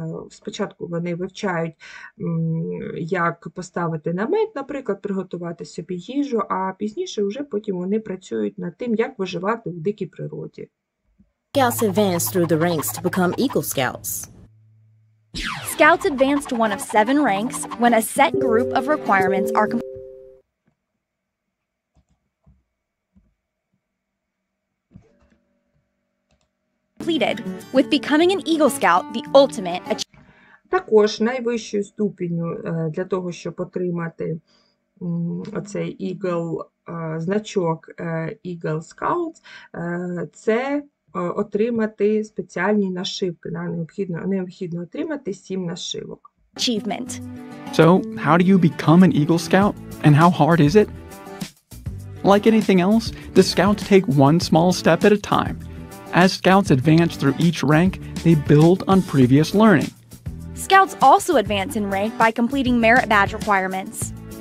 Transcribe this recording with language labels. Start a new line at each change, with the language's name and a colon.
Ukrainian: Спочатку вони вивчають, як поставити намет, наприклад, приготувати собі їжу, а пізніше вже потім вони працюють над тим, як виживати у дикій природі.
English: Scouts advanced through the ranks to become Eagle Scouts. Scouts advanced to one of 7 ranks when a set group of requirements are completed. With becoming an Eagle Scout, the ultimate achievement.
Ukrainian: Також найвищою ступінню для того, щоб отримати оцей Eagle значок Eagle Scouts, це отримати спеціальні нашивки. Необхідно отримати 7 нашивок.
English: Achievement. So, how do you become an Eagle Scout? And how hard is it? Like anything else, the Scouts take one small step at a time. As scouts advance through each rank, they build on previous learning. Scouts also advance in rank by completing merit badge requirements.